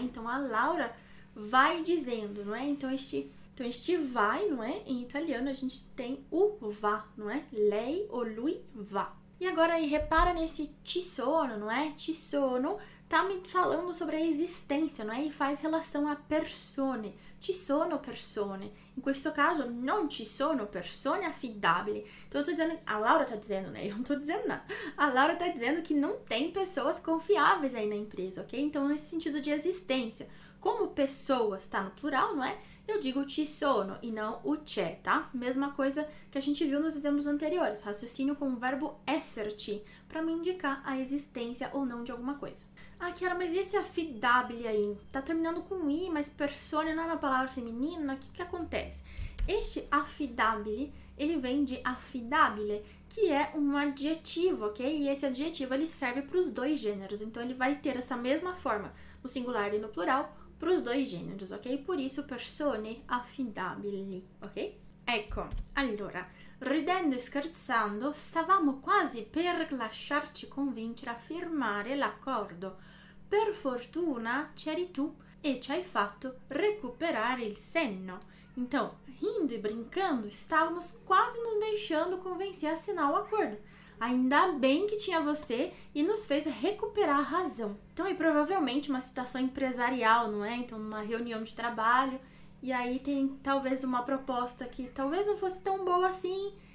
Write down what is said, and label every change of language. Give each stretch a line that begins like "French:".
Portuguese: Então, a Laura vai dizendo, não é? Então, este vai, não é? Em italiano, a gente tem o va, não é? Lei ou lui va. E agora aí, repara nesse ci sono, não é? Ci sono tá me falando sobre a existência, não é? E faz relação a persone.
Italian: Ci sono persone. Em questo caso, non ci sono persone affidabili.
Portuguese: Então, eu tô dizendo. A Laura tá dizendo, né? Eu não tô dizendo nada. A Laura tá dizendo que não tem pessoas confiáveis aí na empresa, ok? Então, nesse sentido de existência. Como pessoas tá no plural, não é? Eu digo ci sono e não o c'è, tá? Mesma coisa que a gente viu nos exemplos anteriores. Raciocínio com o verbo esserci, para me indicar a existência ou não de alguma coisa. Ah, Chiara, mas e esse affidabile aí? Tá terminando com i, mas persone não é uma palavra feminina? O que que acontece? Este affidabile, ele vem de affidabile, que é um adjetivo, ok? E esse adjetivo, ele serve para os dois gêneros. Então, ele vai ter essa mesma forma no singular e no plural, para os dois gêneros, ok? Por isso, persone affidabili, ok?
Italian: Ecco, allora, ridendo e scherzando, stavamo quasi per lasciarci convincere a firmare l'accordo. Per fortuna c'eri tu e ci hai fatto recuperare il senno.
Portuguese: Então, rindo e brincando, stavamo quasi nos deixando convencer a assinar o acordo. Ainda bem que tinha você e nos fez recuperar a razão. Então, é provavelmente uma situação empresarial, não é? Então, uma reunião de trabalho. E aí, tem talvez uma proposta que talvez não fosse tão boa assim.